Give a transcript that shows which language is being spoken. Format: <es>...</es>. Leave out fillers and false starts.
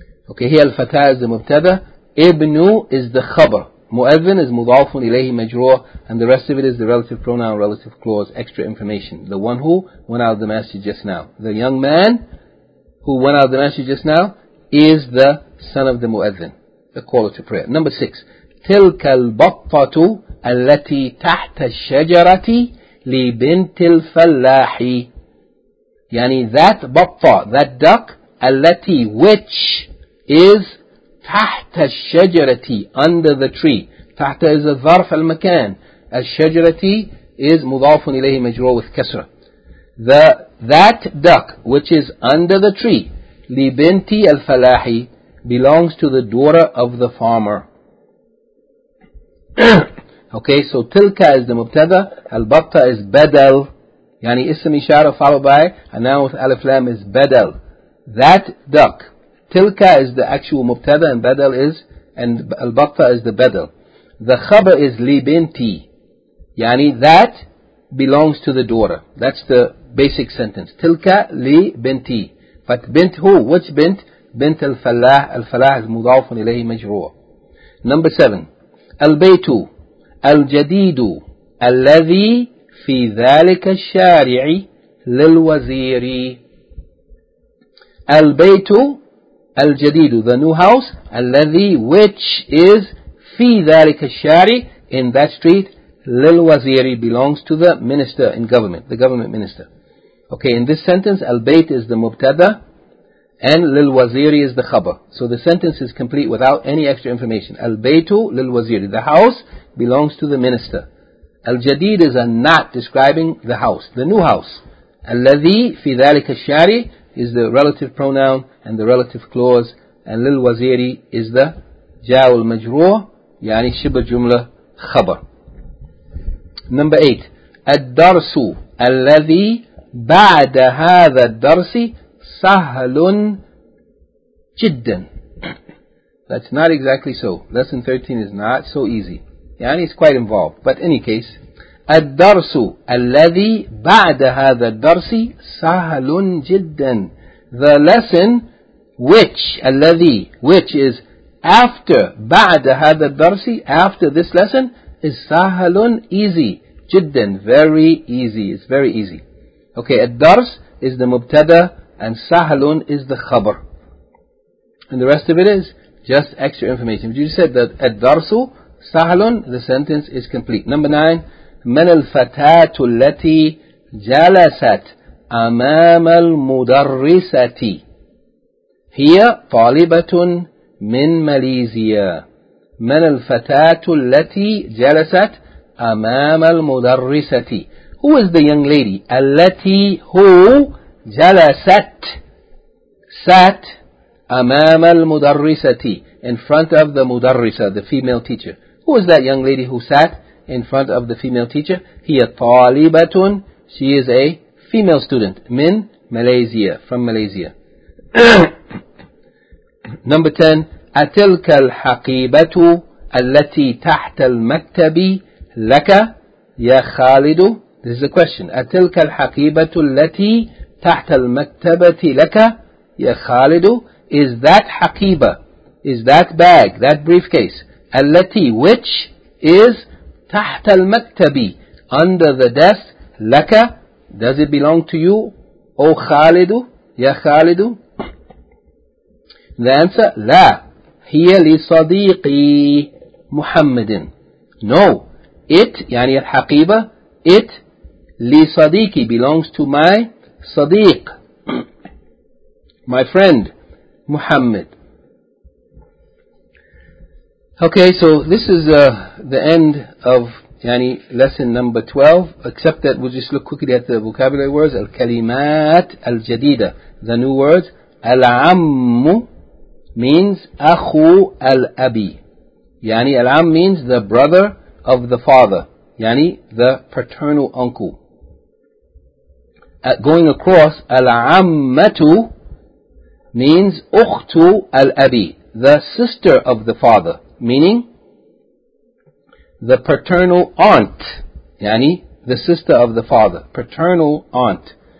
<en>Okay, here al-fata is the mubtada, ibnu is the khabar. Muezzin is mudafun ilayhi majroor, and the rest of it is the relative pronoun, relative clause, extra information. The one who went out of the masjid just now. The young man who went out of the masjid just now is the son of the muezzin. The caller to prayer. Number 6.</en> <ar>Tilka al-baqfatu التي تحت الشجرة لبنت الفلاح.</ar> <en>يعني that بطة, that duck, التي which is</en> <ar>تحت الشجرة,</ar> <en>under the tree.</en> <ar>تحت is a ظرف المكان. الشجرة is مضاف إليه مجرور with كسرة.</ar> <en>That duck, which is under the tree, لبنت الفلاح, belongs to the daughter of the farmer. Okay, so tilka is the mubtada, al-batta is badal, yani ism ishara followed by a noun with alif lam is badal. That duck, tilka is the actual mubtada and badal is, and al-batta is the badal. The khabar is li binti, yani that belongs to the daughter. That's the basic sentence. Tilka li binti. But bint who? Which bint? Bint al-falah, al-falah is mudafun ilayhi majroor. Number 7, al-baytu.</en> <ar>الجديد الذي في ذلك الشارع للوزير. البيت الجديد,</ar> <en>the new house, الذي which is</en> <ar>في ذلك الشارع,</ar> <en>in that street, للوزير, belongs to the minister in government, the government minister. Okay, in this sentence, البيت is the مبتدا and للوزير is the خبر. So the sentence is complete without any extra information.</en> <ar>البيت للوزير,</ar> <en>the house belongs to the minister. Al-jadid is a not describing the house, the new house. Al-ladhi fi dhalika shari is the relative pronoun and the relative clause, and lil-waziri is the jawl majroor, yani shibr jumla khabar. Number 8.</en> <ar>Ad-darsu al-ladhi ba'da hadha ad-darsi sahlun jiddan.</ar> <en>That's not exactly so. Lesson 13 is not so easy. Yani it's quite involved. But any case,</en> <ar>الدرس الذي بعد هذا الدرس سهل جدا.</ar> <en>The lesson which الذي which is after</en> <ar>بعد هذا الدرس</ar> <en>after this lesson is سهل easy جدا very easy it's very easy. Okay, الدرس is the مبتدا and سهل is the خبر. And the rest of it is just extra information. But you said that</en> <ar>الدرس سهل,</ar> <en>the sentence is complete. Number 9.</en> <ar>من الفتاة التي جلست أمام المدرسة هي طالبة من ماليزيا. من الفتاة التي جلست أمام المدرسة.</ar> <en>Who is the young lady? التي who جلست sat</en> <ar>أمام المدرسة</ar> <en>in front of the مدرسة, the female teacher. Who is that young lady who sat in front of the female teacher?</en> <ar>هي طالبة.</ar> <en>She is a female student.</en> <ar>من Malaysia.</ar> <en>From Malaysia. Number 10.</en> <ar>أتلك الحقيبة التي تحت المكتب لك يا خالد.</ar> <en>This is a question.</en> <ar>أتلك الحقيبة التي تحت المكتبة لك يا خالد.</ar> <en>Is that حقيبة? Is that bag? That briefcase? التي which is</en> <ar>تحت المكتبي</ar> <en>under the desk لك does it belong to you</en> <ar>أو خالد يا خالد.</ar> <en>The answer</en> <ar>لا هي لصديقي محمد.</ar> <en>No, it</en> <ar>يعني الحقيبة</ar> <en>it لصديقي belongs to my صديق my friend محمد. Okay, so this is the end of يعني lesson number 12, except that we'll just look quickly at the vocabulary words.</en> <ar>الكلمات الجديدة,</ar> <en>the new words.</en> <ar>العم means أخو الأبي.</ar> <en>يعني العم means the brother of the father. يعني the paternal uncle. Going across, العمة means</en> <ar>أخت الأبي,</ar> <en>the sister of the father. Meaning, the paternal aunt, يعني the sister of the father, paternal aunt.</en>